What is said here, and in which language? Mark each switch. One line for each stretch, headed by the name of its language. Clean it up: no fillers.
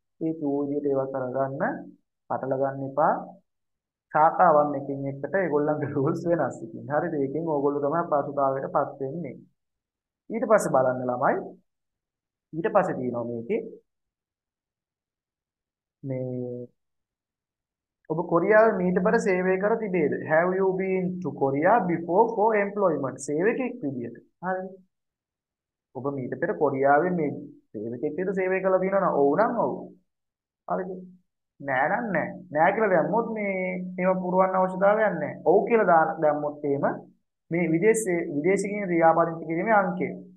Sinhala: මේ තෝ විදියට ඒවා කරගන්න පටල ගන්න එපා. සාකාවන් එකින් එකට ඒගොල්ලන්ගේ රූල්ස් වෙනස් ඉතින්. හරිද? ඒකෙන් ඕගොල්ලෝ තමයි පසුතාවයට පත් වෙන්නේ. ඊට පස්සේ බලන්න ළමයි. ඊට පස්සේ තියෙනවා මේකේ මේ ඔබ කොරියාවේ මීට පෙර සේවය කර තිබේද?
English: Have you been to Korea before for employment?
Sinhala: සේවකෙක් විදියට. හරි. ඔබ මීට පෙර කොරියාවේ මේ සේවකෙක් විදියට සේවය කළා තියෙනවද? ඔව් නම් ඔව්. හරිද? නෑ නම් නෑ. නෑ කියලා දැම්මොත් මේ ඒවා පුරවන්න අවශ්‍යතාවයක් නැහැ. ඔව් කියලා දැම්මොත් එහෙම මේ විදේශිකින් ක්‍රියාපදින් කිරීමේ අංකය.